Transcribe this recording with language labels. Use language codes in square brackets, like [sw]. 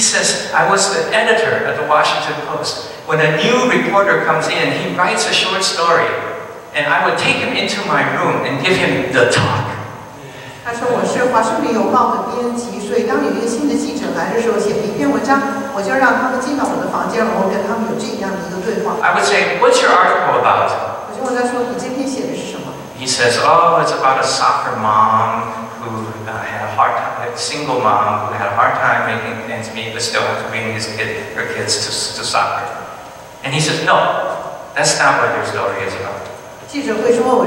[en] says, "I was the editor at the Washington Post." When a new reporter comes in, he writes a short story, and I would take him into my room and give him the talk. [zh] 他说我是华盛顿邮报的编辑，所以当有一个新的记者来的时候，写一篇文章，我就让他们进到我的房间，然后跟他们有这样的一个对话。 [en] I would say, "What's your article about?" [zh] 我就问他说，你这篇写的是什么？ [en] He says, "Oh, it's about a soccer mom who had a hard time, a single mom who had a hard time making ends meet, but still had to bring her kids to soccer." And he says, "No, that's not what your story is about."